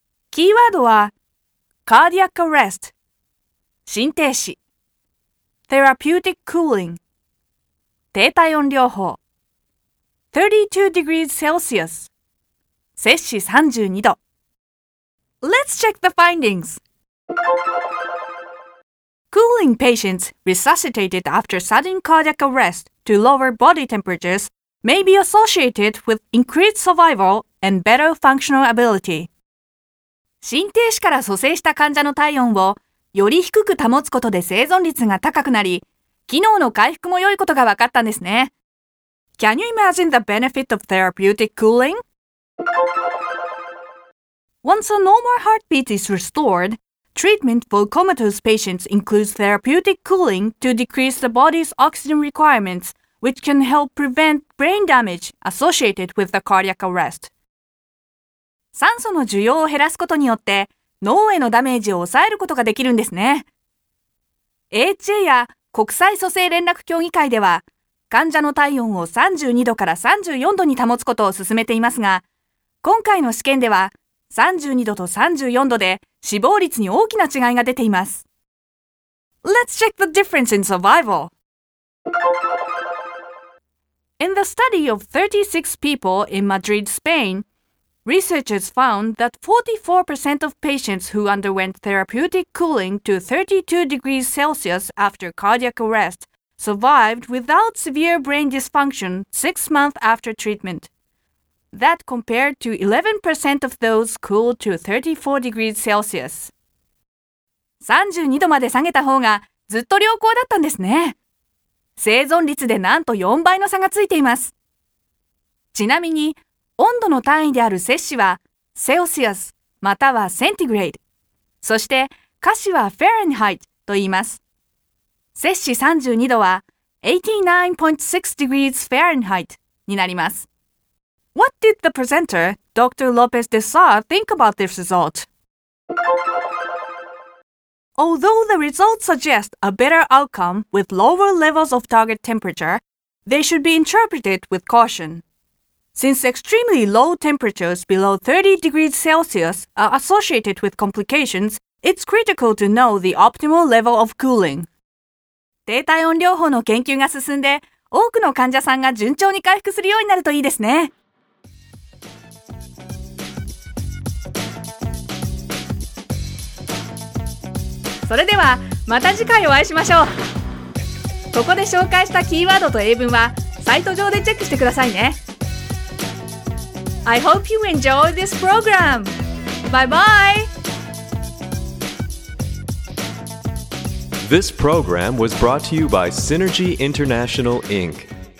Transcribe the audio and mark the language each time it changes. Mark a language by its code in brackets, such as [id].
[ja] キーワードは、cardiac arrest、心停止、therapeutic cooling、低体温療法、32°C、摂氏32度。 [en] Let's check the findings! Cooling patients resuscitated after sudden cardiac arrest to lower body temperaturesmay be associated with increased survival and better functional ability. [ja] 心停止から蘇生した患者の体温をより低く保つことで生存率が高くなり、機能の回復も良いことが分かったんですね。 [en] Can you imagine the benefit of therapeutic cooling? Once a normal heartbeat is restored, treatment for comatose patients includes therapeutic cooling to decrease the body's oxygen requirements,which can help prevent brain damage associated with the cardiac arrest. [ja] 酸素の需要を減らすことによって脳へのダメージを抑えることができるんですね。 AHA や国際蘇生連絡協議会では患者の体温を32度から34度に保つことを進めていますが、今回の試験では32度と34度で死亡率に大きな違いが出ています。 [en] Let's check the difference in survival In the study of 36 people in Madrid, Spain, researchers found that 44% of patients who underwent therapeutic cooling to 32°C after cardiac arrest survived without severe brain dysfunction 6 months after treatment. That compared to 11% of those cooled to 34°C. [ja] 32度まで下げた方がずっと良好だったんですね。生存率でなんと4倍の差がついています。ちなみに、温度の単位である摂氏は、セルシアス、またはセンティグレード。そして、華氏はファレンハイトと言います。摂氏32度は、89.6°F になります。 [en] What did the presenter, Dr. Lopez de Saa, think about this result? Although the results suggest a better outcome with lower levels of target temperature, they should be interpreted with caution. Since extremely low temperatures below 30°C are associated with complications, it's critical to know the optimal level of cooling. [ja] 低体温療法の研究が進んで、多くの患者さんが順調に回復するようになるといいですね。それではまた次回お会いしましょう。ここで紹介したキーワードと英文はサイト上でチェックしてくださいね。 [en] I hope you enjoy this program. Bye bye. This program was brought to you by Synergy International Inc.